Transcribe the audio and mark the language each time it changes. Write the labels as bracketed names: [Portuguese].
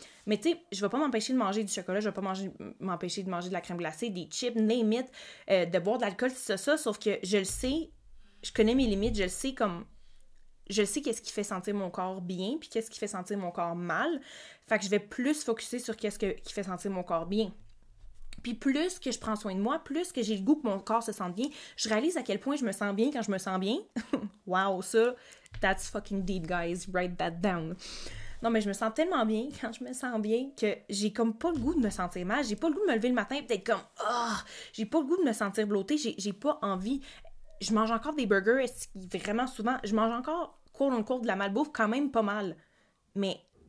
[French] Mais tu sais, je vais pas m'empêcher de manger du chocolat, je vais pas m'empêcher de manger de la crème glacée, des chips, [English] name it, [French] de boire de l'alcool, ça, sauf que je le sais, je connais mes limites, je le sais comme, je le sais qu'est-ce qui fait sentir mon corps bien, puis qu'est-ce qui fait sentir mon corps mal, fait que je vais plus focusser sur qu'est-ce qui fait sentir mon corps bien. Puis plus que je prends soin de moi, plus que j'ai le goût que mon corps se sente bien, je réalise à quel point je me sens bien quand je me sens bien. [English] Wow, [French] ça, [English] that's fucking deep, guys, write that down. [French] Non, mais je me sens tellement bien quand je me sens bien que j'ai comme pas le goût de me sentir mal. J'ai pas le goût de me lever le matin et d'être comme « oh! » J'ai pas le goût de me sentir bloatée. J'ai pas envie. Je mange encore des burgers vraiment souvent. Je mange encore, quote-unquote, de la malbouffe quand même pas mal. Mais